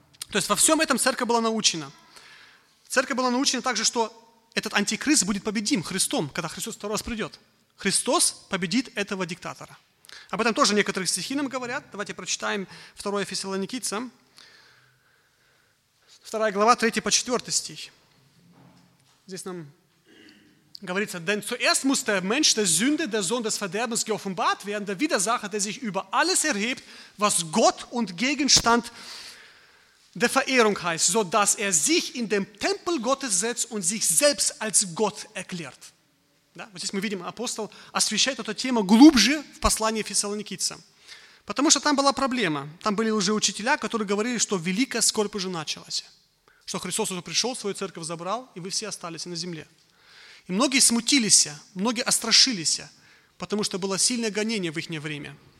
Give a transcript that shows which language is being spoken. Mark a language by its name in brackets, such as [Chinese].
[Russian] То есть во всем этом церковь была научена. Церковь была научена также, что этот антихрист будет победим Христом, когда Христос второй раз придет. Христос победит этого диктатора. Об этом тоже некоторые стихи нам говорят. Давайте прочитаем 2 Фессалоникийцам. 2 глава, 3 по 4 стих. Здесь нам говорится, [German] «Denn zuerst muss der Mensch, der Sünde, der Sohn des Verderbens geoffenbart werden, der Widersacher, der sich über alles erhebt, was Gott und Gegenstand der Verehrung heißt, so dass er sich in den Tempel Gottes setzt und sich selbst als Gott erklärt. [Russian] Да? Вот здесь мы видим, апостол освещает эту тему глубже в послании Фессалоникийцам. Потому что там была проблема. Там были уже учителя, которые говорили, что великая скорбь уже началась. Что Христос уже пришел, свою церковь забрал, и вы все остались на земле. И многие смутились, многие острашились, потому что было сильное гонение в их время.